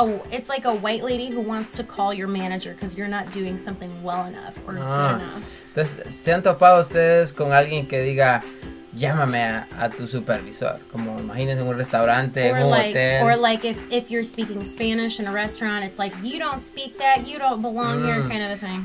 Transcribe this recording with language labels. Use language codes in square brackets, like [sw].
[en] It's like a white lady who wants to call your manager because you're not doing something well enough or good enough. [es] Entonces, ¿se han topado ustedes con alguien que diga llámame a tu supervisor? Como imagínense en un restaurante, [en] or [es] en un [en] like, [es] hotel. [en] Or like if you're speaking Spanish in a restaurant, it's like you don't speak that, you don't belong here, kind of a thing.